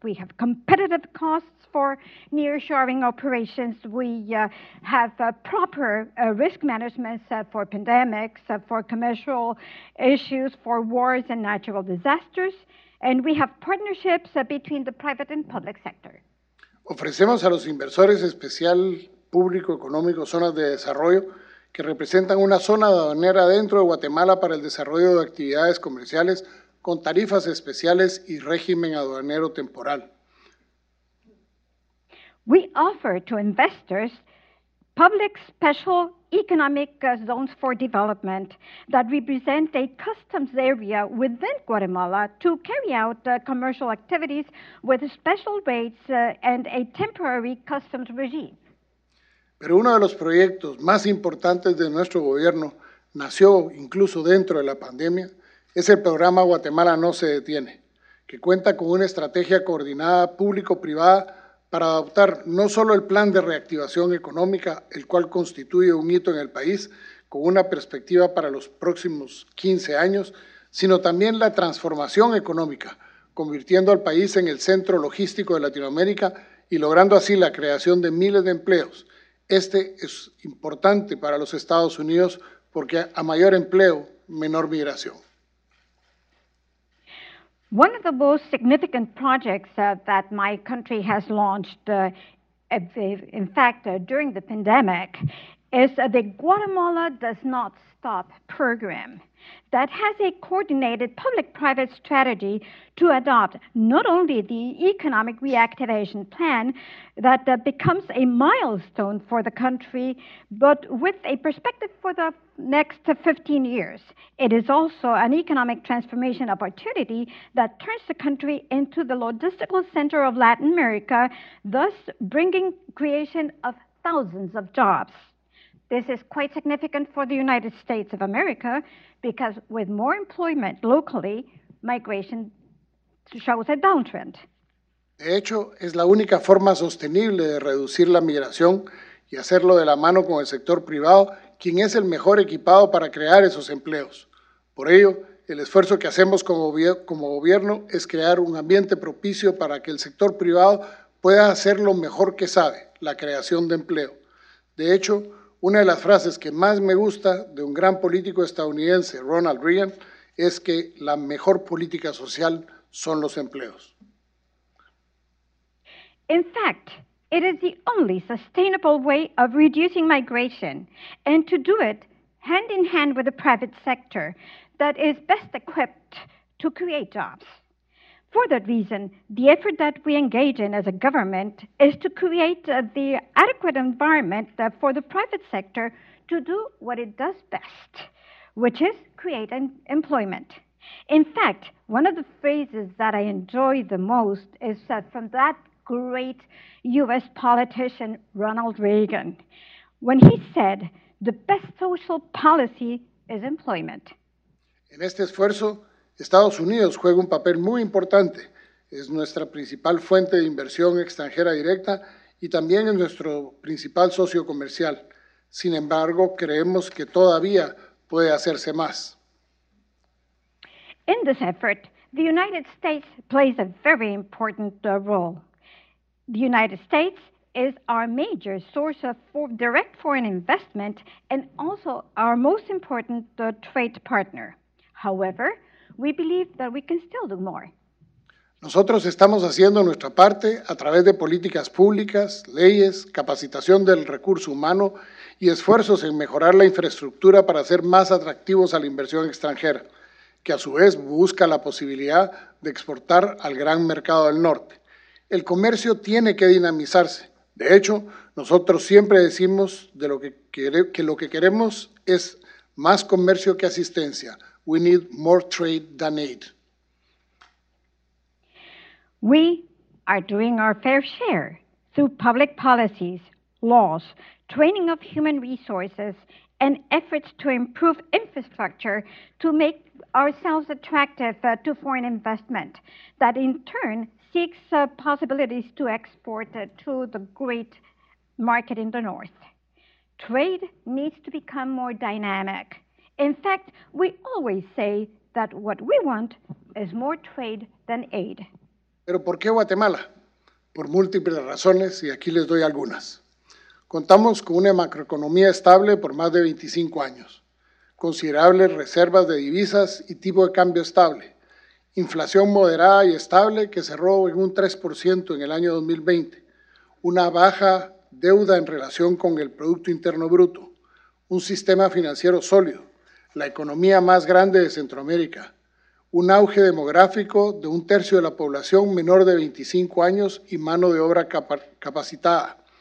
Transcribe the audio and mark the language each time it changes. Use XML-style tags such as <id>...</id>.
<en>We have competitive costs for nearshoring operations. We have proper risk management for pandemics, for commercial issues, for wars and natural disasters. And we have partnerships between the private and public sector.</en> <es>Ofrecemos a los inversores especial público económico zonas de desarrollo que representan una zona aduanera dentro de Guatemala para el desarrollo de actividades comerciales con tarifas especiales y régimen aduanero temporal.</es> <en>We offer to investors public special economic zones for development that represent a customs area within Guatemala to carry out commercial activities with special rates and a temporary customs regime.</en> <es>Pero uno de los proyectos más importantes de nuestro gobierno nació incluso dentro de la pandemia, es el programa Guatemala No Se Detiene, que cuenta con una estrategia coordinada público-privada para adoptar no solo el plan de reactivación económica, el cual constituye un hito en el país con una perspectiva para los próximos 15 años, sino también la transformación económica, convirtiendo al país en el centro logístico de Latinoamérica y logrando así la creación de miles de empleos. Este es importante para los Estados Unidos porque a mayor empleo, menor migración.</es> <en>One of the most significant projects that my country has launched, in fact, during the pandemic, is the Guatemala Does Not Stop program that has a coordinated public-private strategy to adopt not only the economic reactivation plan that becomes a milestone for the country, but with a perspective for the next 15 years. It is also an economic transformation opportunity that turns the country into the logistical center of Latin America, thus bringing creation of thousands of jobs. This is quite significant for the United States of America because with more employment locally, migration shows a downtrend.</en> <es>De hecho, es la única forma sostenible de reducir la migración y hacerlo de la mano con el sector privado, quien es el mejor equipado para crear esos empleos. Por ello, el esfuerzo que hacemos como gobierno es crear un ambiente propicio para que el sector privado pueda hacer lo mejor que sabe, la creación de empleo. De hecho, una de las frases que más me gusta de un gran político estadounidense, Ronald Reagan, es que la mejor política social son los empleos.</es> <en>In fact, it is the only sustainable way of reducing migration, and to do it hand in hand with the private sector that is best equipped to create jobs. For that reason, the effort that we engage in as a government is to create the adequate environment for the private sector to do what it does best, which is create employment. In fact, one of the phrases that I enjoy the most is from that great U.S. politician, Ronald Reagan, when he said the best social policy is employment.</en> <es>En este esfuerzo, Estados Unidos juega un papel muy importante. Es nuestra principal fuente de inversión extranjera directa y también es nuestro principal socio comercial. Sin embargo, creemos que todavía puede hacerse más.</es> <en>In this effort, the United States plays a very important role. The United States is our major source of direct foreign investment and also our most important trade partner. However, we believe that we can still do more.</en> <es>Nosotros estamos haciendo nuestra parte a través de políticas públicas, leyes, capacitación del recurso humano y esfuerzos en mejorar la infraestructura para ser más atractivos a la inversión extranjera, que a su vez busca la posibilidad de exportar al gran mercado del norte. El comercio tiene que dinamizarse. De hecho, nosotros siempre decimos de lo que queremos es más comercio que asistencia.</es> <en>We need more trade than aid. We are doing our fair share through public policies, laws, training of human resources, and efforts to improve infrastructure to make ourselves attractive to foreign investment that in turn seeks possibilities to export to the great market in the north. Trade needs to become more dynamic. In fact, we always say that what we want is more trade than aid.</en> <es>¿Pero por qué Guatemala? Por múltiples razones, y aquí les doy algunas. Contamos con una macroeconomía estable por más de 25 años, considerables reservas de divisas y tipo de cambio estable, inflación moderada y estable que cerró en un 3% en el año 2020, una baja deuda en relación con el Producto Interno Bruto, un sistema financiero sólido, la economía más grande de Centroamérica, un auge demográfico de un tercio de la población menor de 25 años y mano de obra capacitada.</es>